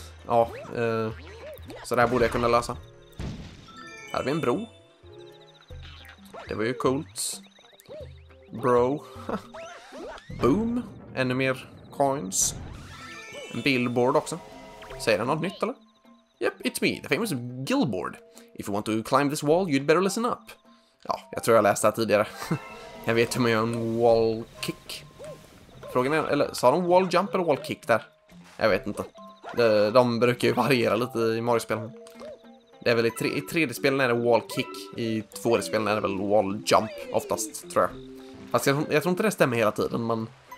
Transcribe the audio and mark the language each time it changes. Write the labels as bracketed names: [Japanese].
[Swedish] Ja, så där borde jag kunna lösa. Här har vi en bro. Det var ju coolt. Bro. Boom. Ännu mer coins. En billboard också. Säger det något nytt, eller? [English] Yep, it's me, the famous billboard. If you want to climb this wall, you'd better listen up. [Swedish] Ja, jag tror jag läste det tidigare. Jag vet hur man gör en wall kick. Frågan är, eller sa de wall jump eller wall kick där? Jag vet inte. De brukar ju variera lite i Mario-spelen. Det är väl i 3D-spelen är det wall kick. I 2D-spelen är det väl wall jump oftast, tror jag. Fast jag tror inte det stämmer hela tiden, men...